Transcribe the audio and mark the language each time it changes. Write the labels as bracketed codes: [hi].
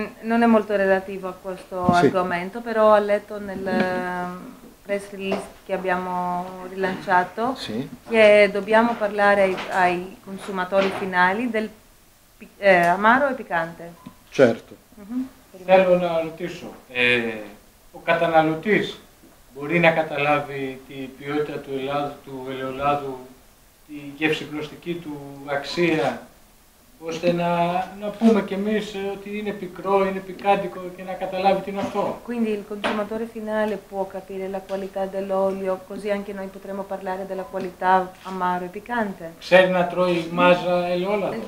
[it] Non è molto relativo a questo argomento, però ho letto nel press release che abbiamo rilanciato che dobbiamo parlare ai consumatori finali del amaro e piccante. Certo. [el] Θέλω να ρωτήσω, ο καταναλωτής μπορεί να καταλάβει την ποιότητα του ελαιολάδου, τη γευσιγνωστική του αξία, ώστε να πούμε κι εμείς ότι είναι πικρό, είναι πικάντικο και να καταλάβει τι είναι αυτό. [it] Quindi il consumatore finale può capire la qualità dell'olio, così anche noi potremmo parlare della qualità amaro e piccante. [el] Ξέρει να τρώει μάζα ελαιόλαδο.